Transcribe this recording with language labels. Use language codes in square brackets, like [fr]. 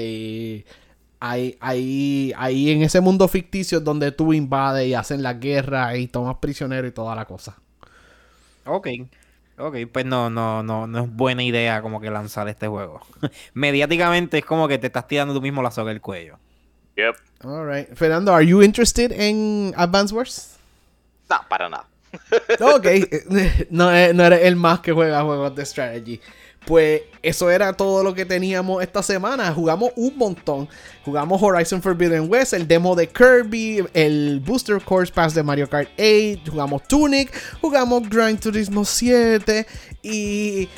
[es] Y ahí en ese mundo ficticio es donde tú invades y hacen la guerra y tomas prisionero y toda la cosa. Ok, pues no es buena idea como que lanzar este juego. Mediáticamente es como que te estás tirando tú mismo la soga al cuello. [en] Yep. All right. Fernando, are you interested in Advance Wars? [es] No, para nada. Ok, no eres el más que juega juegos de strategy. Pues eso era todo lo que teníamos esta semana. Jugamos un montón. Jugamos Horizon Forbidden West, el demo de Kirby, el Booster Course Pass de Mario Kart 8. Jugamos Tunic, jugamos Gran Turismo 7 y...